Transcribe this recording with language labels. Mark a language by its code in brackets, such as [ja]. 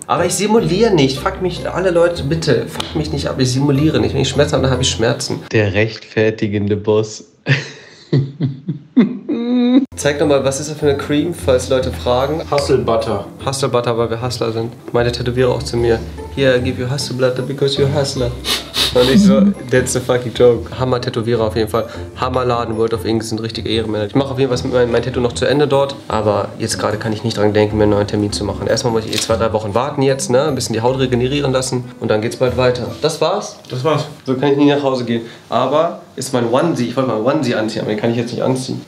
[de] Aber ich simuliere nicht. Fuck mich, alle Leute, bitte, fuck mich nicht ab. Ich simuliere nicht. Wenn ich Schmerzen habe, dann habe ich Schmerzen. Der rechtfertigende Boss. Zeig doch mal, was ist das für eine Cream, falls Leute fragen. Hustle Butter. Hustle Butter, weil wir Hustler sind. Meine Tätowierer auch zu mir. [en] Here, I give you Hustle Butter because you're a Hustler. [de] Und ich so, [en] that's a fucking joke. [de] Hammer-Tätowierer auf jeden Fall. Hammer-Laden, World of Inks sind richtige Ehrenmänner. Ich mache auf jeden Fall mein Tattoo noch zu Ende dort. Aber jetzt gerade kann ich nicht dran denken, mir einen neuen Termin zu machen. Erstmal muss ich 2-3 Wochen warten jetzt, ne? Ein bisschen die Haut regenerieren lassen. Und dann geht's bald weiter. Das war's? Das war's. So kann ich nie nach Hause gehen. Aber ist mein Onesie. Ich wollte mal Onesie anziehen, aber den kann ich jetzt nicht anziehen.